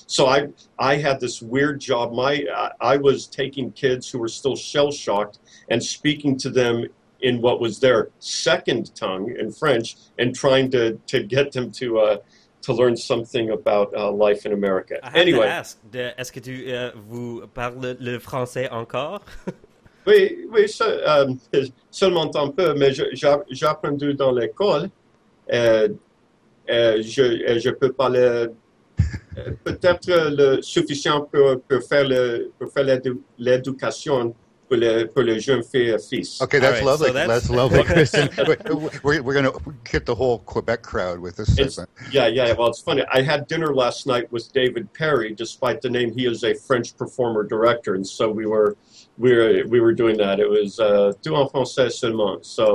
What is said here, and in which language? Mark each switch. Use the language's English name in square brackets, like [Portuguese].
[English] So I had this weird job. I was taking kids who were still shell-shocked and speaking to them in what was their second tongue in French and trying to get them to learn something about life in America. Anyway, I have to ask, [French] est-ce que tu vous parles le français encore? Oui, seulement un peu, mais j'apprends dans l'école. Je peux parler peut-être le suffisant pour faire l'éducation pour les jeunes filles et fils. [English] Okay, that's right, lovely. So that's lovely, Christian. we're going to hit the whole Quebec crowd with this segment. Yeah. Well, it's funny. I had dinner last night with David Perry, despite the name. He is a French performer director, and so we were doing that. It was [French] tout en français seulement. [English] So